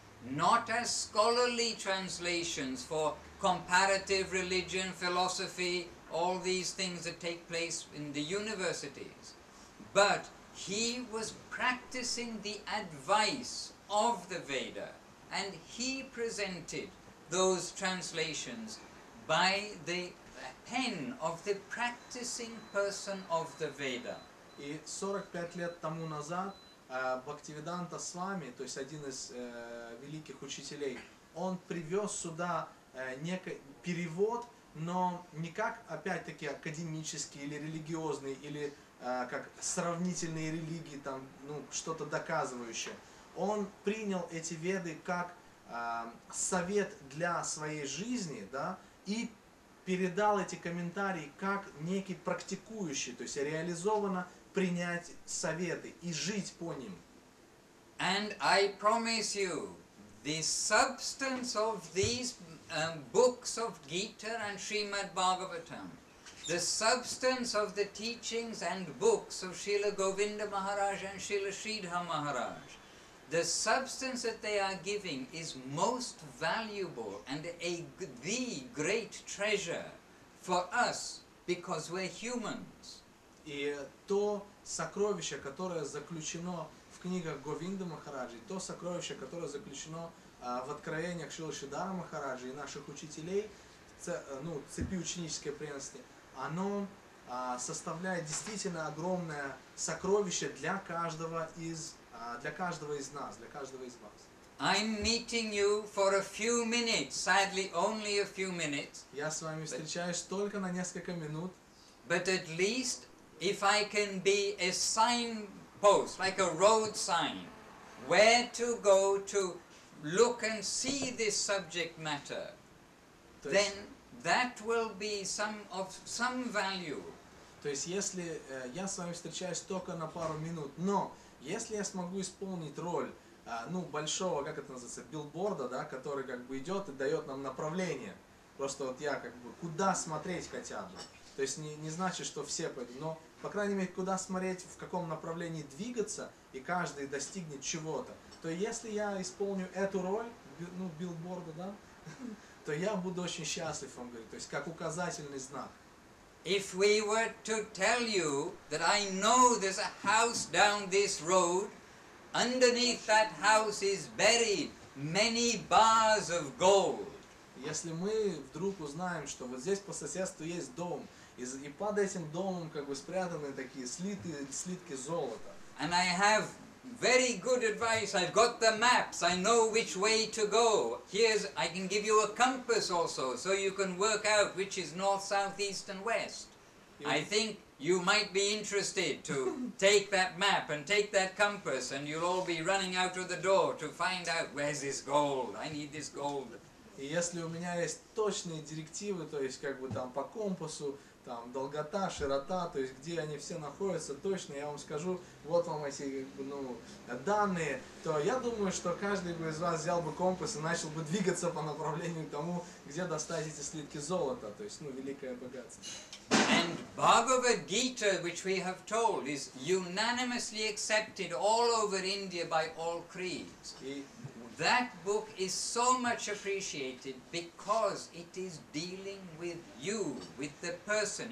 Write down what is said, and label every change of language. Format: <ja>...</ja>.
<en>not as scholarly translations for comparative religion, philosophy, all these things that take place in the universities, but he was practicing the advice of the Veda, and he presented those translations by the pen of the practicing person of the Veda.</en> <ru>И 45 лет тому назад Бхактивиданта Свами, то есть один из великих учителей, он привез сюда некий перевод, но не как опять-таки академический или религиозный, или как сравнительные религии, там, ну, что-то доказывающее. Он принял эти Веды как совет для своей жизни, да, и передал эти комментарии как некий практикующий, то есть реализованно принять советы и жить по ним.</ru> <en>And I promise you, the substance of these books of Gita and Srimad Bhagavatam, the substance of the teachings and books of Srila Govinda Maharaj and Srila Sridhar Maharaj, the substance that they are giving is most valuable and the great treasure for us, because we're humans.</en> <ru>И то сокровище, которое заключено в книгах Говинды Махараджи, то сокровище, которое заключено в откровениях Шрилы Сридхара Махараджи и наших учителей, ну, цепи ученической преемственности, оно составляет действительно огромное сокровище для каждого из нас.</ru> <en>I'm meeting you for a few minutes, sadly only a few minutes.</en> <ru>Я с вами встречаюсь только на несколько минут.</ru> <en>But at least if I can be a signpost, like a road sign, where to go to look and see this subject matter, then that will be some value.</en> <ru>То есть, если я с вами встречаюсь только на пару минут, но если я смогу исполнить роль большого, как это называется, билборда, да, который как бы идет и дает нам направление, просто вот я как бы куда смотреть хотя бы, то есть не значит, что все пойдут, но по крайней мере куда смотреть, в каком направлении двигаться, и каждый достигнет чего-то, то если я исполню эту роль, билборда, да, то я буду очень счастлив, он говорит, то есть как указательный знак.</ru> <en>If we were to tell you that I know there's a house down this road, underneath that house is buried many bars of gold.</en> <ru>Если мы вдруг узнаем, что вот здесь по соседству есть дом, и под этим домом как бы спрятаны такие слитки золота.</ru> <en>And I have very good advice. I've got the maps. I know which way to go. I can give you a compass also, so you can work out which is north, south, east, and west. I think you might be interested to take that map and take that compass, and you'll all be running out of the door to find out where's this gold. I need this gold.</en> <ru>И если у меня есть точные директивы, то есть как бы там по компасу, там долгота, широта, то есть где они все находятся, точно я вам скажу, вот вам эти данные, то я думаю, что каждый бы из вас взял бы компас и начал бы двигаться по направлению к тому, где достать эти слитки золота, то есть великое богатство.</ru> <en>And Bhagavad Gita, which we have told, is unanimously accepted all over India by all creeds. That book is so much appreciated because it is dealing with you, with the person.</en>